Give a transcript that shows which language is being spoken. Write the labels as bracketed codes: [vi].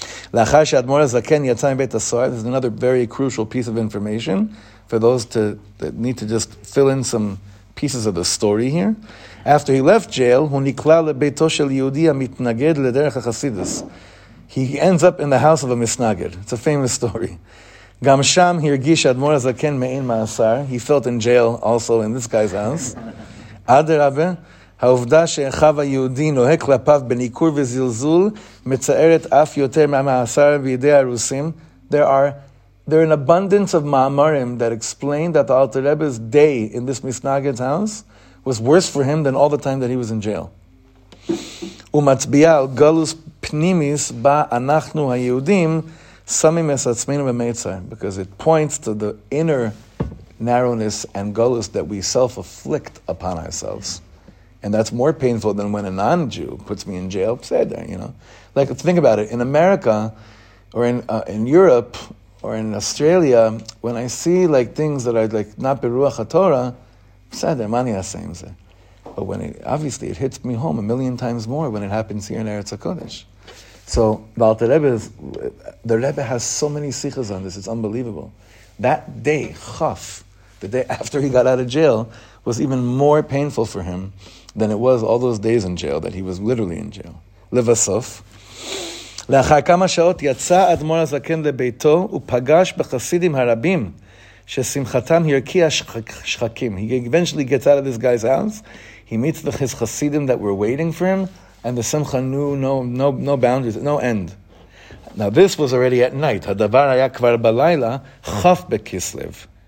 [en] This is another very crucial piece of information for those that need to just fill in some pieces of the story here. After he left jail, he ends up in the house of a misnaged. It's a famous story. He felt in jail also in this guy's house. [he] Adarabe. העובדה שאחיו היהודי נוהג כלפיו בניכור וזלזול מצערת אף יותר מהמאסר בידי הרוסים. [en] There are an abundance of ma'amarim that explain that the Alter Rebbe's day in this misnaged house was worse for him than all the time that he was in jail. [he] ומצביעה על גלוס פנימיס בה אנחנו היהודים שמים את עצמנו במצר. [en] Because it points to the inner narrowness and gulus that we self-afflict upon ourselves. And that's more painful than when a non-Jew puts me in jail. Say that, you know. Like, think about it. In America, or in Europe or in Australia, when I see like things that are like not [he] beruach haTorah, sadeh mani asayim zeh. [en] But when it, obviously it hits me home a million times more when it happens here in Eretz HaKodesh. So Balta Rebbe, the Rebbe has so many sichas on this, it's unbelievable. That day, Chaf, the day after he got out of jail, was even more painful for him than it was all those days in jail, that he was literally in jail. [he] Levasof. לאחר כמה שעות יצא אדמור הזקן לביתו ופגש בחסידים הרבים ששמחתם הרקיע שחקים. [en] He eventually gets out of this guy's house. He meets his chasidim that were waiting for him, and the simcha knew no boundaries, no end. Now this was already at night. [he] הדבר היה כבר בלילה, חוף בכיסלב.